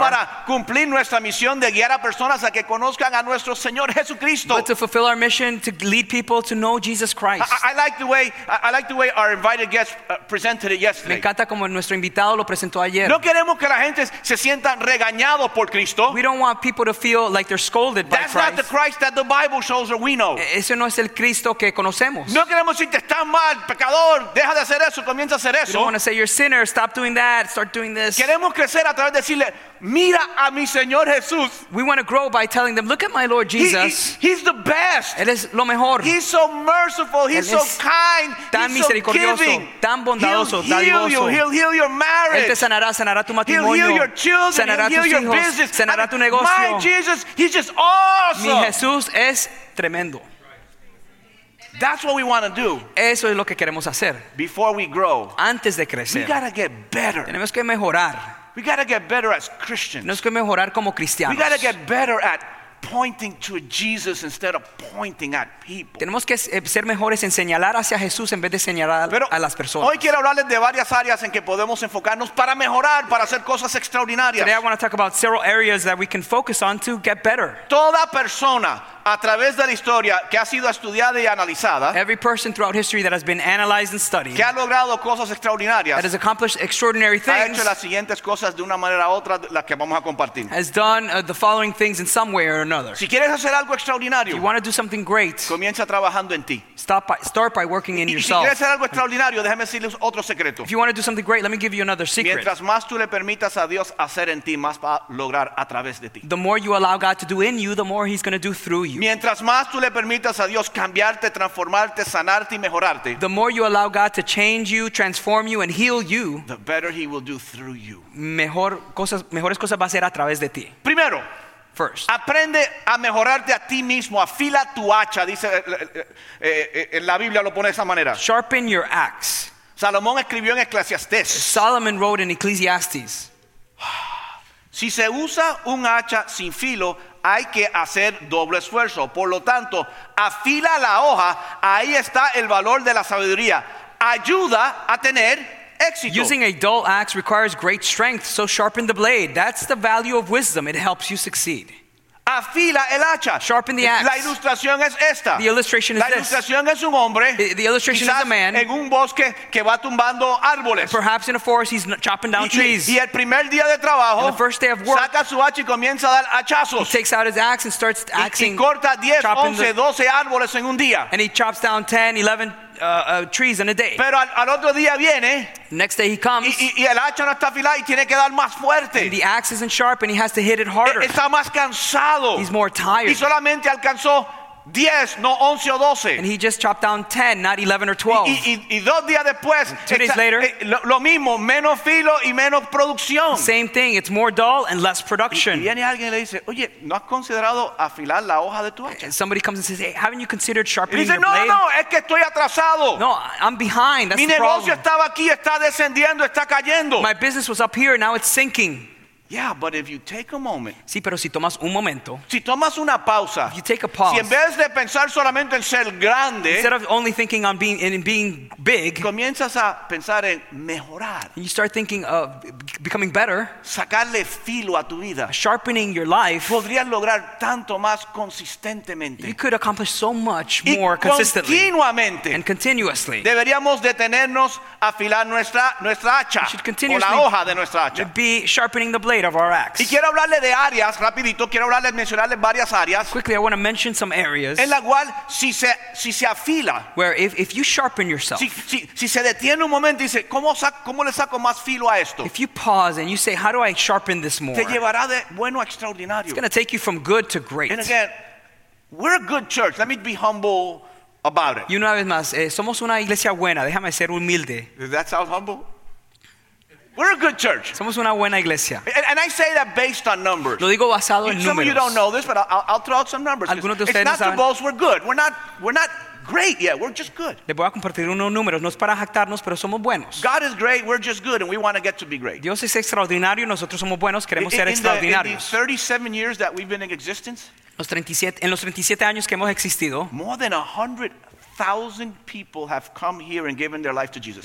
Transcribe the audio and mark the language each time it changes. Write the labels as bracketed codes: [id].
[es] Para cumplir nuestra misión de guiar a personas a que conozcan a nuestro Señor Jesucristo. [en] But to fulfill our mission to lead people to know Jesus Christ. I like the way our invited guest presented it yesterday. [es] Me encanta como nuestro invitado lo presentó ayer. No queremos que la gente se sientan regañados por Cristo. [en] We don't want people to feel like they're scolded That's by Christ. Not the Christ that the Bible shows or we know. [es] Ese no es el Cristo que conocemos. No queremos decirte está mal, pecador, deja de hacer eso, comienza a hacer eso. [en] We don't want to say you're a sinner, stop doing that, start doing this. [es] Queremos crecer a través de mira a mi Señor Jesús. [en] We want to grow by telling them, look at my Lord Jesus. He's the best. [es] Él es lo mejor. [en] He's so merciful. He's so kind. [es] Tan misericordioso, [en] he's so giving. [es] Tan bondadoso, [en] he'll heal [es] dadivoso. [en] You. He'll heal your marriage. [es] Él te sanará, sanará tu matrimonio. [en] He'll heal your children. [es] Sanará [en] he'll heal [es] hijos, [en] your business. [es] Sanará tu negocio. [en] My Jesus, he's just awesome. [es] Mi Jesús es tremendo. [en] That's what we want to do. [es] Eso es lo que queremos hacer. [en] Before we grow. [es] Antes de crecer. [en] We gotta get better. [es] Tenemos que mejorar. [en] We gotta get better as Christians. [es] Tenemos que mejorar como cristianos. [en] We gotta get better at pointing to Jesus instead of pointing at people. [es] Tenemos que ser mejores en señalar hacia Jesús en vez de señalar Pero a las personas. Hoy quiero hablarles de varias áreas en que podemos enfocarnos para mejorar, para hacer cosas extraordinarias. [en] Today I want to talk about several areas that we can focus on to get better. [es] Toda persona a través de la historia que ha sido estudiada y analizada. [en] Every person throughout history that has been analyzed and studied. [es] Que ha logrado cosas extraordinarias. [en] That has accomplished extraordinary things. [es] Ha hecho las siguientes cosas de una manera u otra las que vamos a compartir. [en] Has done the following things in some way or another. [es] Si quieres hacer algo extraordinario. [en] If you want to do something great. [es] Comienza trabajando en ti. [en] Start by working in yourself. [es] Y si quieres hacer algo extraordinario, déjame decirles otro secreto. [en] If you want to do something great, let me give you another secret. [es] Mientras más tú le permitas a Dios hacer en ti, más va a lograr a través de ti. [en] The more you allow God to do in you, the more he's going to do through you. [es] Mientras más tú le permitas a Dios cambiarte, transformarte, sanarte y mejorarte, [en] the more you allow God to change you, transform you, and heal you, the better he will do through you. [es] Mejores cosas va a ser a través de ti. Primero, [en] first, [es] aprende a mejorarte a ti mismo, afila tu hacha, dice en la Biblia lo pone de esa manera. [en] Sharpen your axe. [es] Salomón escribió en Eclesiastes. [en] Solomon wrote in Ecclesiastes. [es] Si se usa un hacha sin filo, hay que hacer doble esfuerzo. Por lo tanto, afila la hoja. Ahí está el valor de la sabiduría. Ayuda a tener éxito. [en] Using a dull axe requires great strength, so sharpen the blade. That's the value of wisdom. It helps you succeed. [es] Afila el hacha. [en] Sharpen the axe. [es] La ilustración es esta. [en] The illustration is [es] la ilustración [en] this. [es] Es un hombre. [en] The illustration [es] quizás [en] is a man. [es] En un bosque que va tumbando árboles. [en] Perhaps in a forest he's chopping down trees. [es] Y el primer día de trabajo, [en] the first day of work, [es] saca su hacha y comienza a dar hachazos. [en] He takes out his axe and starts axing. [es] Y corta 10, 11, 12 árboles en un día. [en] And he chops down 10, 11 trees in a day. [es] Pero al otro día viene, [en] next day he comes, [es] y el hacha no está afilado y tiene que dar más fuerte. [en] And the axe isn't sharp and he has to hit it harder. [es] Está más cansado. [en] He's more tired. [es] Y solamente alcanzó 10, no 11 o 12. [en] And he just chopped down 10, not 11 or 12. [es] Y dos días después, [en] two days later, [es] lo mismo, menos filo y menos producción. [en] Same thing, it's more dull and less production. [es] Y viene alguien y le dice, oye, ¿no has considerado afilar la hoja de tu hacha? [en] And somebody comes and says, hey, haven't you considered sharpening [es] dice, [en] your blade? [es] Y dice, no, es que estoy atrasado. [en] No, I'm behind, that's [es] Mi negocio Estaba aquí, está descendiendo, está cayendo. [en] My business was up here, now it's sinking. Yeah, but if you take a moment. [es] Sí, pero si tomas un momento. Si tomas una pausa. [en] If you take a pause. [es] Si en vez de pensar solamente en ser grande. [en] Instead of only thinking on being big. [es] Comienzas a pensar en mejorar. [en] You start thinking of becoming better. [es] Sacarle filo a tu vida. [en] Sharpening your life. [es] Podrías lograr tanto más consistentemente. [en] You could accomplish so much more consistently. [es] Y continuamente. [en] And continuously. [es] Deberíamos detenernos a afilar nuestra hacha. [en] We should continuously. [es] O la hoja de nuestra hacha. [en] Be sharpening the blade of our axe. [es] Y quiero hablarle de áreas rapidito, quiero hablarles, mencionarles varias áreas. [en] Quickly, I want to mention some areas. [es] En la cual si se afila. [en] Where if you sharpen yourself. [es] Si se detiene un momento y dice, ¿cómo le saco más filo a esto? [en] If you pause and you say, how do I sharpen this more? [es] Te llevará de bueno a extraordinario. [en] It's going to take you from good to great. And again, we're a good church. Let me be humble about it. [es] Y una vez más, somos una iglesia buena. Déjame ser humilde. [en] Does that sound humble? We're a good church. [es] Somos una buena iglesia. [en] And I say that based on numbers. [es] Lo digo basado en [en] some Some of you don't know this, but I'll throw out some numbers. [es] Algunos de ustedes [en] it's not [es] saben. [en] To boast, we're good. We're not great yet. We're just good. [es] Le voy a compartir unos números. No es para jactarnos, pero somos buenos. [en] God is great. We're just good, and we want to get to be great. [es] Dios es extraordinario. Nosotros somos buenos. Queremos ser extraordinarios. [en] In the 37 years that we've been in existence. [es] En los 37 años que hemos existido. [en] More than 100,000 people have come here and given their life to Jesus.